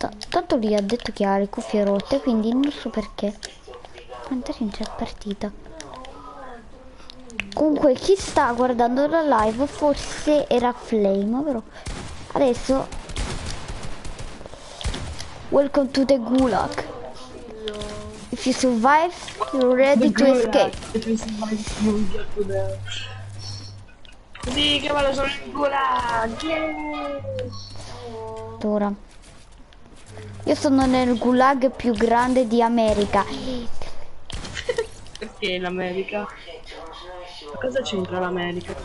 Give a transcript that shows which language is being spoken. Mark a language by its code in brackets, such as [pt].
[it] Tanto lì ha detto che ha le cuffie rotte, quindi non so perché. Andare in chat partita. Comunque chi sta guardando la live forse era Flame, però adesso [en] welcome to the gulag. If you survive, you're ready to escape. [it] Sì, che vado, sono il gulag. Ora io sono nel gulag più grande di America. Perché in America? Cosa c'entra l'America?